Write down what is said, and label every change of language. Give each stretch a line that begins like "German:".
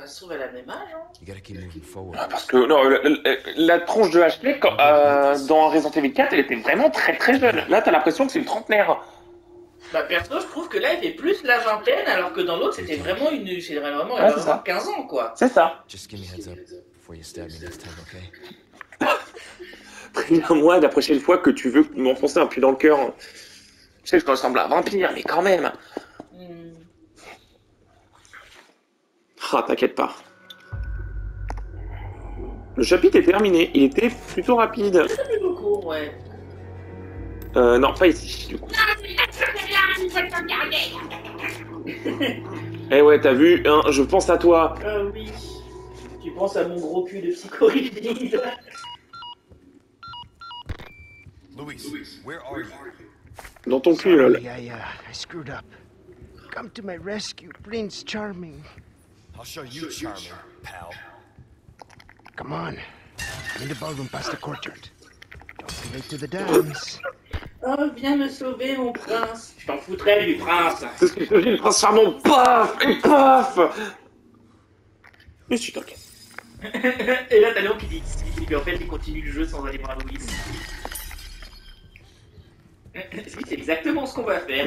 French: Elle a la même âge, hein. Parce que non, la tronche de HP dans Resident Evil 4, elle était vraiment très très jeune. Là, t'as l'impression que c'est une trentenaire. Bah, perso, je trouve que là, il fait plus la vingtaine, alors que dans l'autre, c'était vraiment une. C'est vraiment 15 ans, quoi. C'est ça.
English: Just give me heads up before you stab me this time, okay?
French: Moi, la prochaine fois que tu veux m'enfoncer un puits dans le cœur, je sais que je ressemble à un vampire, mais quand même. Ah, t'inquiète pas. Le chapitre est terminé. Il était plutôt rapide. C'est beaucoup, ouais. Non, pas ici, du coup. Eh ouais, t'as vu, hein, je pense à toi. Ah oui. Tu penses à mon gros cul de psychorigide.
English: Louis, where are you?
French: Dans ton cul, lol.
English: I screwed up. Come to my rescue, Prince Charming. I'll show you charming, pal. Come on. In the ballroom past the courtyard. Don't be late to the dance.
French: Oh, viens me sauver, mon prince. Je t'en foutrais du prince. C'est ce que je te dis, le prince charmant. Paf et paf. Mais je suis toqué. Et là, t'as Léon qui dit ce qu'il en fait, il continue le jeu sans aller voir Louis. C'est exactement ce qu'on va faire.